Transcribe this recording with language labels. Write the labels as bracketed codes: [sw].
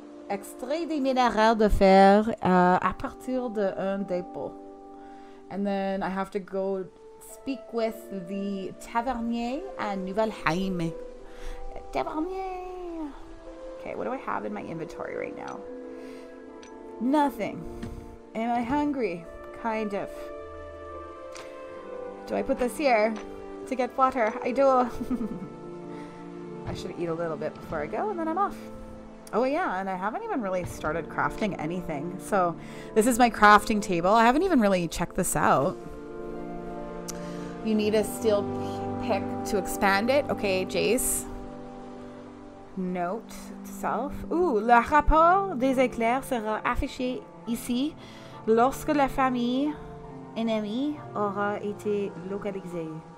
[fr] Extrait des minerais de fer à partir de un dépôt. [en] And then I have to go speak with the tavernier and Nouvelle-Heim. Tavernier! Okay, what do I have in my inventory right now? Nothing. Am I hungry? Kind of. Do I put this here to get water? I do. I should eat a little bit before I go and then I'm off. Oh yeah, and I haven't even really started crafting anything. So this is my crafting table. I haven't even really checked this out. You need a steel pick to expand it. Okay, Jace. Note to self. [fr] Ooh, le rapport des éclairs sera affiché ici lorsque la famille ennemie aura été localisée.